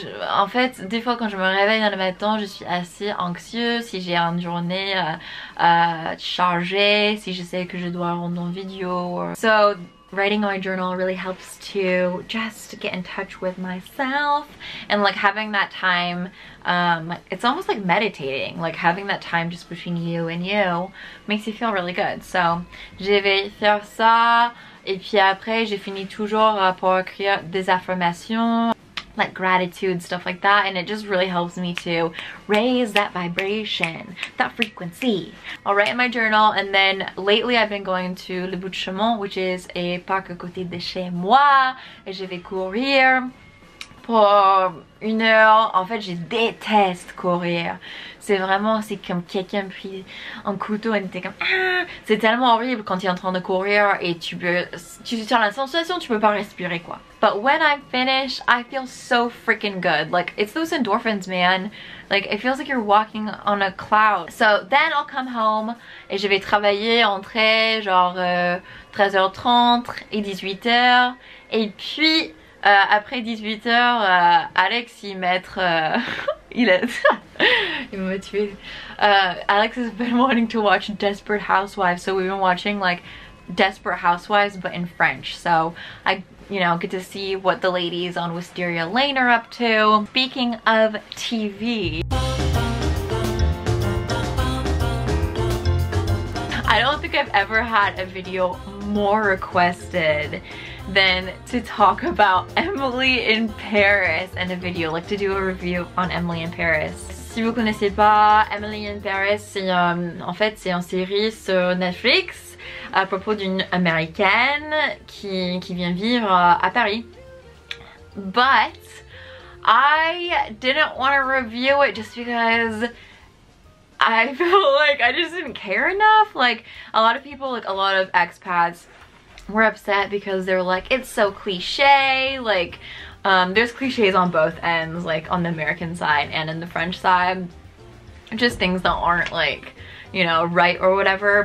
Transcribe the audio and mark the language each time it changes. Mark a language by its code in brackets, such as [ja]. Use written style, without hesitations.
[fr] En fait, des fois quand je me réveille dans le matin, je suis assez anxieuse si j'ai une journée chargée, si je sais que je dois rendre une vidéo. [en] So, writing my journal really helps to just get in touch with myself. And like having that time, it's almost like meditating. Like having that time just between you and you makes you feel really good. [fr] So, je vais faire ça. Et puis après, j'ai fini toujours pour écrire des affirmations. [en] like gratitude, stuff like that, and it just really helps me to raise that vibration, that frequency. I'll write in my journal, and then lately I've been going to Le Bout de Chemin, which is a park [fr] à côté de chez moi, et je vais courir pour une heure. En fait, je déteste courir. C'est vraiment, c'est comme quelqu'un pris un couteau et t'es comme ah! C'est tellement horrible quand t'es en train de courir et tu as la sensation, tu peux pas respirer quoi. [en] But when I'm finished, I feel so freaking good. Like, it's those endorphins, man. Like, it feels like you're walking on a cloud. So then I'll come home [fr] et je vais travailler entre genre 13h30 et 18h. Et puis, après 18h, Alex y mettre... Il est... Il m'a tué. [en] Alex has been wanting to watch Desperate Housewives, so we've been watching like Desperate Housewives but in French. So I, you know, get to see what the ladies on Wisteria Lane are up to. Speaking of TV, I don't think I've ever had a video more requested than to talk about Emily in Paris and a video, like to do a review on Emily in Paris. [fr] Si vous connaissez pas Emily in Paris, c'est en fait c'est une série sur Netflix à propos d'une américaine qui vient vivre à Paris. [en] But I didn't want to review it just because I felt like I just didn't care enough. Like a lot of people, like a lot of expats, were upset because they were like, it's so cliche. Like there's cliches on both ends, like on the American side and in the French side, just things that aren't like, you know, right or whatever.